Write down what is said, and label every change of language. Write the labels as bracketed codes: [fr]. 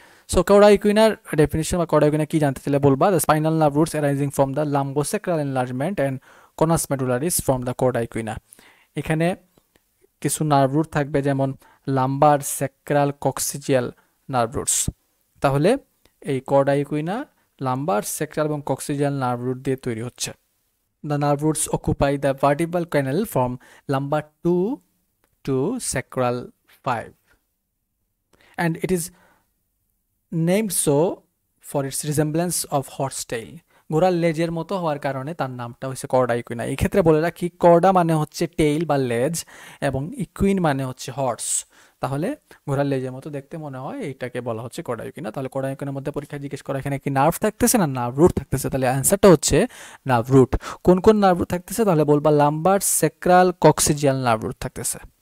[bn] So Korda ইকুইনার definition বা Korda equina কি জানতে চাইলে বলবা, [en] The spinal nerve roots arising from the lumbosacral enlargement and conus medullaris from the cauda equina. [bn] এখানে কিছু নার্ভ রুট থাকবে যেমন লাম্বার, সেক্রাল, কক্সিজিয়াল নার্ভ রুটস। তাহলে এই কর্ডা ইকুইনা লাম্বার, সেক্রাল এবং কক্সিজিয়াল নার্ভ রুট দিয়ে তৈরি হচ্ছে। [en] the nerve roots occupy the vertebral canal from lumbar 2 to sacral 5, and it is named so for its resemblance of horse tail. [bn] ঘোড়ার লেজের মতো হওয়ার কারণে তার নামটা হচ্ছে কর্ডা ইকুইনা। এই ক্ষেত্রে বলে রাখি, কর্ডা মানে হচ্ছে টেইল বা লেজ, এবং ইকুইন মানে হচ্ছে হর্স। তাহলে ঘোড়ার লেজের মতো দেখতে মনে হয়, এইটাকে বলা হচ্ছে কর্ডা ইকুইনা। তাহলে কর্ডা ইকুইনার মধ্যে পরীক্ষা জিজ্ঞেস করা, এখানে কি নার্ভ থাকতেছে না নার্ভ রুট থাকতেছে? তাহলে অ্যান্সারটা হচ্ছে নার্ভ রুট। কোন কোন নার্ভ রুট থাকতেছে তাহলে বলবা, লাম্বার সেক্রাল কক্সিজিয়াল নার্ভ রুট থাকতেছে।